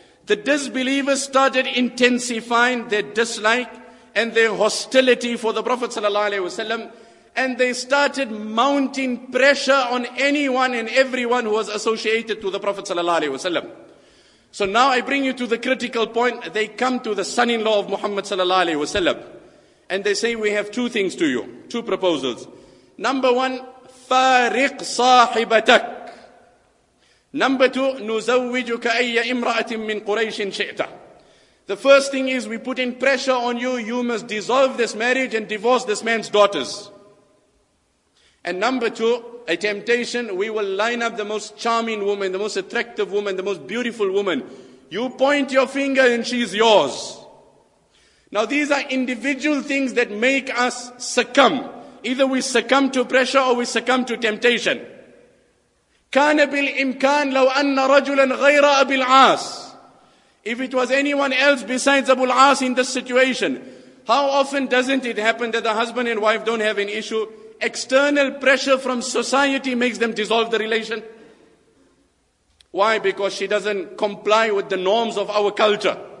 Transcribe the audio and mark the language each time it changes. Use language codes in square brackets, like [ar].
[en] The disbelievers started intensifying their dislike and their hostility for the Prophet sallallahu alayhi wa sallam, and they started mounting pressure on anyone and everyone who was associated to the Prophet sallallahu alayhi wa sallam. So now I bring you to the critical point. They come to the son-in-law of Muhammad sallallahu alaihi wasallam, and they say, we have two things to you, two proposals. Number one, [ar] فارق صاحبتك. [en] Number two, [ar] نزوجك أي امرأة من قريش شئت. [en] The first thing is, we put in pressure on you, you must dissolve this marriage and divorce this man's daughters. And number two, a temptation, we will line up the most charming woman, the most attractive woman, the most beautiful woman. You point your finger and she's yours. Now these are individual things that make us succumb. Either we succumb to pressure or we succumb to temptation. [ar] كان بالإمكان لو أن رجلا غير أبي العاص. [en] If it was anyone else besides Abu al-As in this situation, how often doesn't it happen that the husband and wife don't have an issue? External pressure from society makes them dissolve the relation. Why? Because she doesn't comply with the norms of our culture.